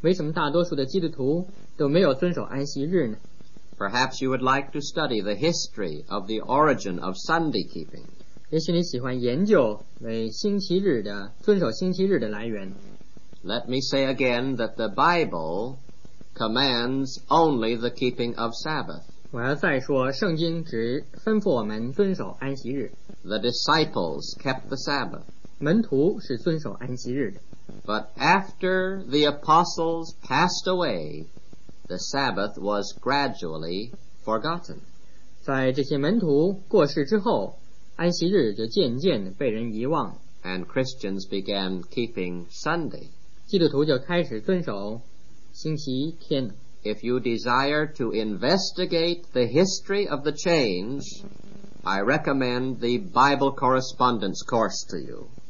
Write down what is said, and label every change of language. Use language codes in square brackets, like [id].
[zh] 也许你现在心里头就在想，为什么大多数的基督徒都没有遵守安息日呢？ [en] Perhaps you would like to study the history of the origin of Sunday keeping. [zh] 也许你喜欢研究为星期日的遵守星期日的来源。 [en] Let me say again that the Bible commands only the keeping of Sabbath. [zh] 我要再说，圣经只吩咐我们遵守安息日。 [en] The disciples kept the Sabbath. [zh] 门徒是遵守安息日的。 [en] But after the apostles passed away, the Sabbath was gradually forgotten. [zh] 在这些门徒过世之后，安息日就渐渐地被人遗忘。 [en] And Christians began keeping Sunday. [zh] 基督徒就开始遵守星期天。 [en] If you desire to investigate the history of the change, I recommend the Bible Correspondence course to you.